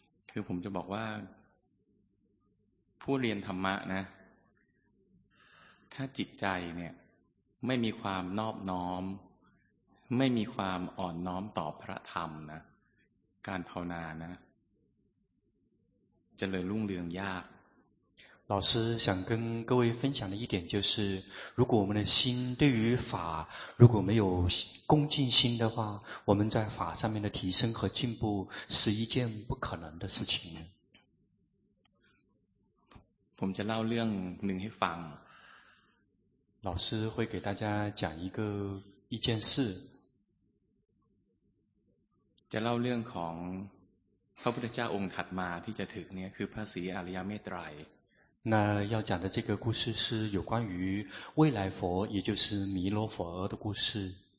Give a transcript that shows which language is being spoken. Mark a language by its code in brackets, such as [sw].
[th] คือผมจะบอกว่าผู้เรียนธรรมะนะถ้าจิตใจเนี่ยไม่มีความนอบน้อมไม่มีความอ่อนน้อมต่อพระธรรมนะการภาวนานะจะเลยรุ่งเรืองยาก [zh] 老师想跟各位分享的一点就是如果我们的心对于法如果没有恭敬心的话我们在法上面的提升和进步是一件不可能的事情 [th] ผมจะเล่าเรื่องหนึ่งให้ฟัง [zh] 老师会给大家讲一件事 [th] จะเล่าเรื่องของพระพุทธเจ้าองค์ถัดมาที่จะถึงเนี่ยคือพระศรีอริยเมตไตร [zh] 那要讲的这个故事是有关于未来佛也就是弥勒佛的故事